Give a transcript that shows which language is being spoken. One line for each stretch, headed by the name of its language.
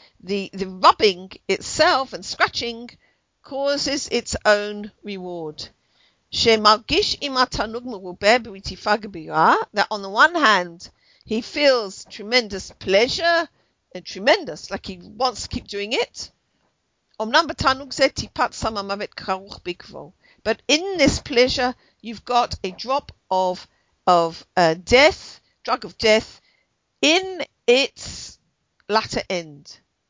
English: The rubbing itself and scratching causes its own reward.
Hebrew: שמרגיש עם התענוג מרובה ברטיפה גבירה,
English: that on the one hand, he feels tremendous pleasure, tremendous, like he wants to keep doing it.
Hebrew: אמנם בתענוג זה טיפת סם המוות כרוך בעקבו.
English: But in this pleasure, you've got a drop of death, drug of death, in its latter end.